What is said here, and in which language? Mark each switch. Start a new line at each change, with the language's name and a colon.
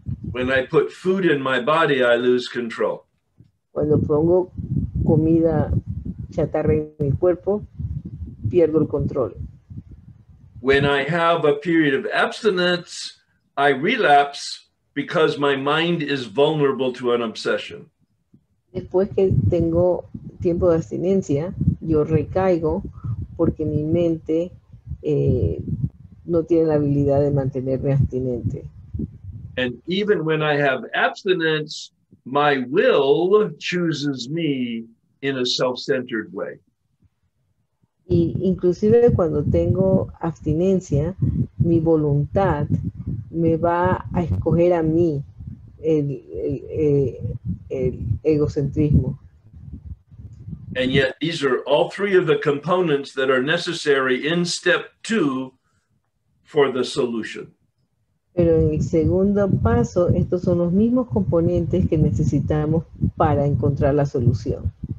English: When I put food in my body, I lose control.
Spanish: Cuando pongo comida chatarra en mi cuerpo, pierdo el control.
English: When I have a period of abstinence, I relapse because my mind is vulnerable to an obsession.
Spanish: Después que tengo tiempo de abstinencia, yo recaigo porque mi mente no tiene la habilidad de mantenerme abstinente.
English: And even when I have abstinence, my will chooses me in a self-centered way.
Spanish: Y inclusive cuando tengo abstinencia, mi voluntad me va a escoger a mí el egocentrismo.
English: And yet these are all three of the components that are necessary in step two for the solution.
Spanish: Pero en el segundo paso, estos son los mismos componentes que necesitamos para encontrar la solución.